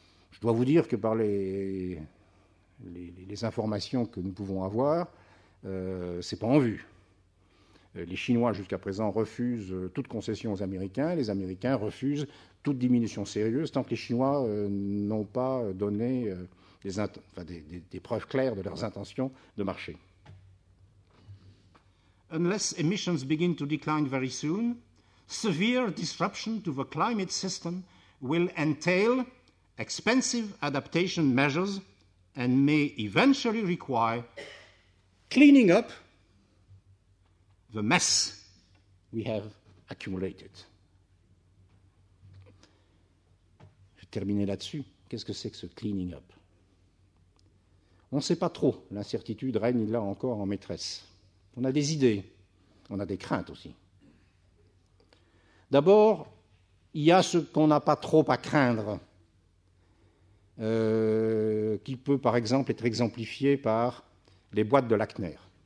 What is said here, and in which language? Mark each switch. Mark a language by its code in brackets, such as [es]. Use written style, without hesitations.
[fr] Je dois vous dire que par les informations que nous pouvons avoir, c'est pas en vue. Les Chinois, jusqu'à présent, refusent toute concession aux Américains. Les Américains refusent toute diminution sérieuse tant que les Chinois n'ont pas donné des preuves claires de leurs intentions de marché. [en] Unless emissions begin to decline very soon, severe disruption to the climate system will entail expensive adaptation measures and may eventually require cleaning up the mess we have accumulated. [fr] Je vais terminer là-dessus. Qu'est-ce que c'est que ce cleaning up? On ne sait pas trop. L'incertitude règne là encore en maîtresse. On a des idées. On a des craintes aussi. D'abord, il y a ce qu'on n'a pas trop à craindre, qui peut par exemple être exemplifié par les boîtes de Lackner.